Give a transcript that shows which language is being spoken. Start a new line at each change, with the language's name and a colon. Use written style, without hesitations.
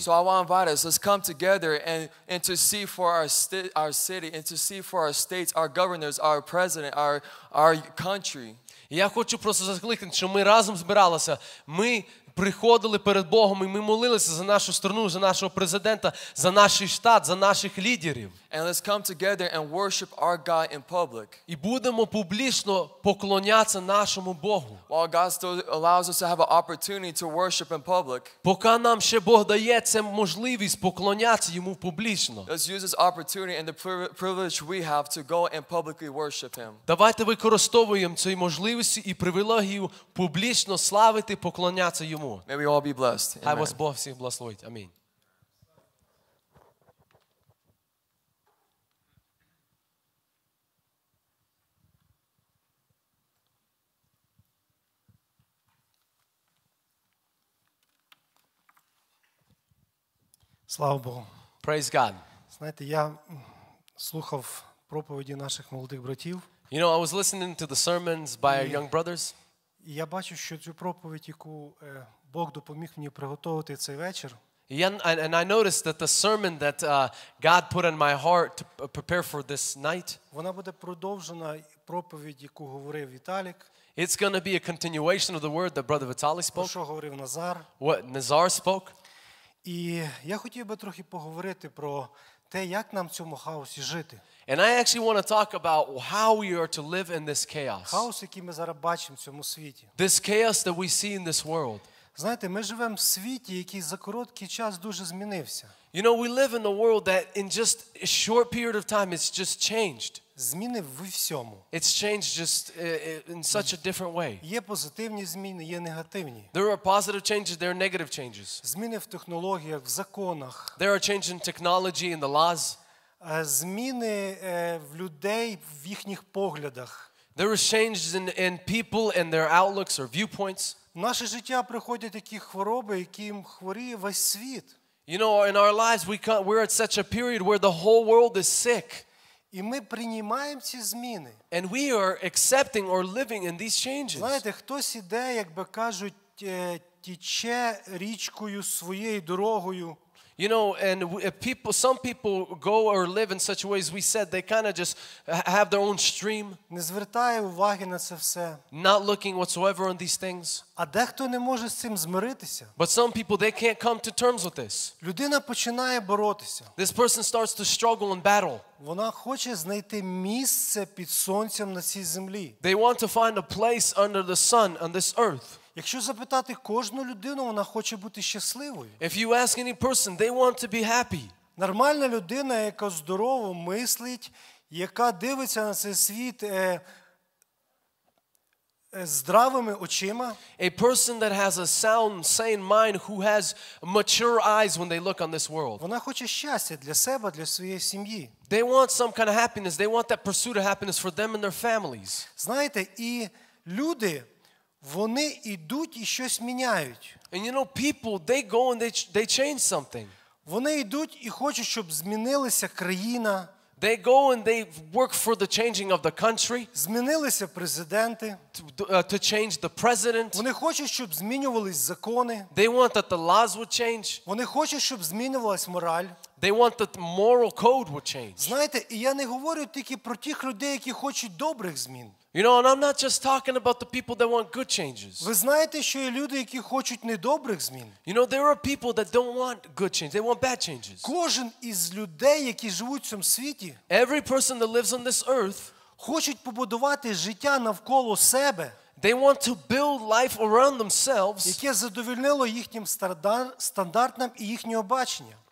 English: So I want to invite us, let's come together and intercede for our city, intercede for our states, our governors, our president, our country.
Ukrainian: Я хочу просто закликати, що ми разом збиралися, ми приходили перед Богом і ми молилися за нашу страну, за нашого президента, за наш штат, за наших лідерів.
English: And let's come together and worship our God in public.
Ukrainian: І будемо публічно поклонятися нашому Богу.
English: While God still allows us to have an opportunity to worship in public.
Ukrainian: Поки нам ще Бог дає це можливість поклонятися йому публічно.
English: Let's use this opportunity and the privilege we have to go and publicly worship him.
Ukrainian: Давайте використовуємо цю можливість і привілегію публічно славити, поклонятися йому.
English: May we all be blessed. Amen.
Ukrainian: Хай вас Бог всіх благословить. Амінь. Слава Богу.
English: Praise God.
Ukrainian: Знаєте, я слухав проповіді наших молодих братів.
English: You know, I was listening to the sermons by our young brothers.
Ukrainian: І я бачу, що цю проповідь, яку Бог допоміг мені приготувати цей вечір.
English: And I noticed that the sermon that God put in my heart to prepare for this night.
Ukrainian: Вона буде продовжена проповідь, яку говорив Віталік.
English: It's going to be a continuation of the word that brother Vitaly spoke.
Ukrainian: Що говорив Назар?
English: What Nazar spoke?
Ukrainian: І я хотів би трохи поговорити про те, як нам в цьому хаосі жити.
English: And I actually want to talk about how we are to live in this chaos.
Ukrainian: Хаос, який ми зараз бачимо в цьому світі.
English: This chaos that we see in this world.
Ukrainian: Знаєте, ми живемо в світі, який за короткий час дуже змінився.
English: You know, we live in a world that in just a short period of time it's just changed.
Ukrainian: Зміни в усьому.
English: It's changed just in such a different way.
Ukrainian: Є позитивні зміни, є негативні.
English: There are positive changes, there are negative changes.
Ukrainian: Зміни в технологіях, в законах.
English: There are changes in technology, in the laws.
Ukrainian: Зміни в людей, в їхніх поглядах.
English: There are changes in people and their outlooks or viewpoints.
Ukrainian: В наше життя приходять такі хвороби, яким хворіє весь світ.
English: You know, in our lives we're at such a period where the whole world is sick.
Ukrainian: І ми приймаємо ці зміни.
English: And we are accepting or living in these changes.
Ukrainian: Знаєте, хтось іде, як би кажуть, тече річкою своєю дорогою.
English: You know, and some people go or live in such ways, we said, they kind of just have their own stream.
Ukrainian: Не звертає уваги на це все.
English: Not looking whatsoever on these things.
Ukrainian: А дехто не може з цим змиритися.
English: But some people, they can't come to terms with this.
Ukrainian: Людина починає боротися.
English: This person starts to struggle and battle.
Ukrainian: Вона хоче знайти місце під сонцем на цій землі.
English: They want to find a place under the sun on this earth.
Ukrainian: Якщо запитати кожну людину, вона хоче бути щасливою.
English: If you ask any person, they want to be happy.
Ukrainian: Нормальна людина, яка здорово мислить, яка дивиться на цей світ здравими очима.
English: A person that has a sound, sane mind, who has mature eyes when they look on this world.
Ukrainian: Вона хоче щастя для себе, для своєї сім'ї.
English: They want some kind of happiness. They want that pursuit of happiness for them and their families.
Ukrainian: Знаєте, і люди, вони йдуть і щось міняють.
English: And you know, people, they go and they change something.
Ukrainian: Вони йдуть і хочуть, щоб змінилася країна.
English: They go and they work for the changing of the country.
Ukrainian: Змінилися президенти.
English: To change the president.
Ukrainian: Вони хочуть, щоб змінювались закони.
English: They want that the laws would change.
Ukrainian: Вони хочуть, щоб змінювалась мораль.
English: They want that moral code would change.
Ukrainian: Знаєте, і я не говорю тільки про тих людей, які хочуть добрих змін.
English: You know, and I'm not just talking about the people that want good changes.
Ukrainian: Ви знаєте, що є люди, які хочуть недобрих змін?
English: You know, there are people that don't want good changes. They want bad changes.
Ukrainian: Кожен із людей, які живуть в цьому світі,
English: every person that lives on this earth,
Ukrainian: хочуть побудувати життя навколо себе.
English: They want to build life around themselves,
Ukrainian: яке задовольнило їхнім стандартам і їхнього бачення.